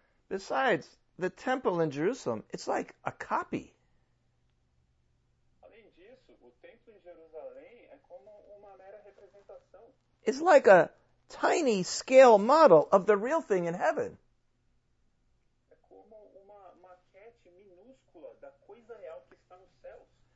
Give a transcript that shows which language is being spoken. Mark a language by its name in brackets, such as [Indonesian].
[English] Besides, the temple in Jerusalem, it's like a copy. [Portuguese] Além disso, o templo em Jerusalém é como uma mera representação. [English] It's like a tiny scale model of the real thing in heaven. [Portuguese] É como uma maquete minúscula da coisa real que está nos céus.